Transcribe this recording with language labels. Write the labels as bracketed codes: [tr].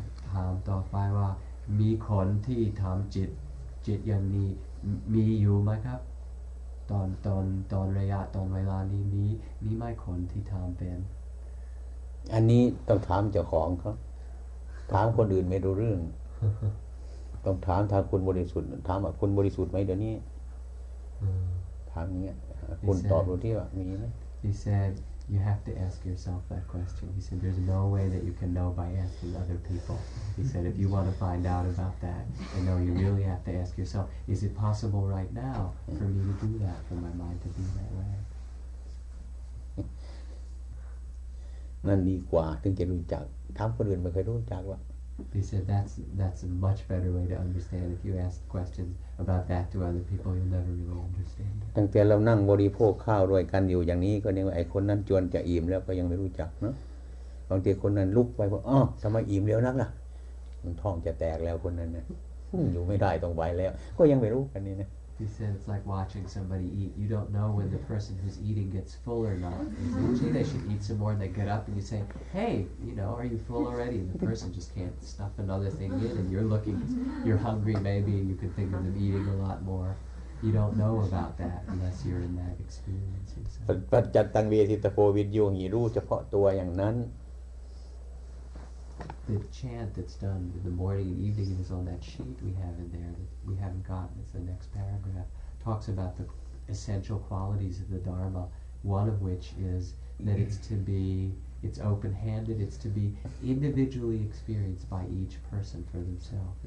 [th] ถามต่อไปว่ามีคนที่ทำจิตอย่างนี้มีอยู่ไหมครับตอนระยะตอนเวลานี้มีไหมคนที่ทำเป็น อันนี้ต้องถามเจ้าของครับถามคนอื่นไม่รู้เรื่อง ต้องถามทางคุณบริสุทธิ์ถามว่าคุณบริสุทธิ์ไหมเดี๋ยวนี้ถามอย่างเงี้ยคุณตอบรู้ที่ว่ามีไหม [en] He said You have to ask yourself that question. He said, there's no way that you can know by asking other people. He said, if you want to find out about that, you know, you really have to ask yourself, is it possible right now for me to do that, for my mind to be that way? He said, that's a much better way to understand. If you ask questions about that to other people, you'll never really understand it. [th] ตั้งแต่เรานั่งบริโภคข้าวด้วยกันอยู่อย่างนี้ก็เนี่ยไอ้คนนั้นจวนจะอิ่มแล้วก็ยังไม่รู้จักเนาะบางทีคนนั้นลุกไปว่าอ้อทำไมอิ่มเร็วนักล่ะมันท้องจะแตกแล้วคนนั้นนะอยู่ไม่ได้ต้องไปแล้วก็ยังไม่รู้กันนี่นะ [en] He said it's like watching somebody eat. You don't know when the person who's eating gets full or not. Usually they should eat some more and they get up and you say, hey, you know, are you full already? And the person just can't stuff another thing in and you're looking, you're hungry maybe and you can think of them eating a lot more. You don't know about that unless you're in that experience. [th] ปัจจัตตังเวทิตโพวิทโยหิรู้เฉพาะตัวอย่างนั้น [en] The chant that's done in the morning and evening is on that sheet we have in there that we haven't gotten. It's the next paragraph. Talks about the essential qualities of the Dharma, one of which is that it's to be, it's open-handed, it's to be individually experienced by each person for themselves.